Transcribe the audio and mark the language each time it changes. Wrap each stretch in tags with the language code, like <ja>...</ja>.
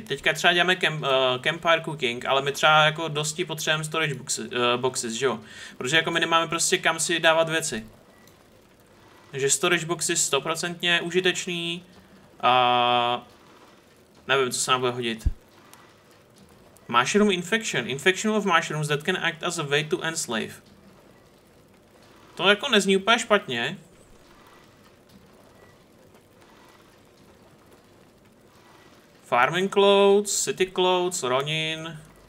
<cs>Teďka třeba děláme campfire cooking, ale my třeba jako dosti potřebujeme storage boxes, že jo? Protože jako my nemáme prostě kam si dávat věci. Takže storage boxy 100% užitečný. A nevím, co se nám bude hodit.</cs> <en>Mushroom infection. Infection of mushrooms that can act as a way to enslave.</en> <cs>To jako nezní úplně špatně.</cs> <en>Farming clothes, city clothes, Ronin.</en>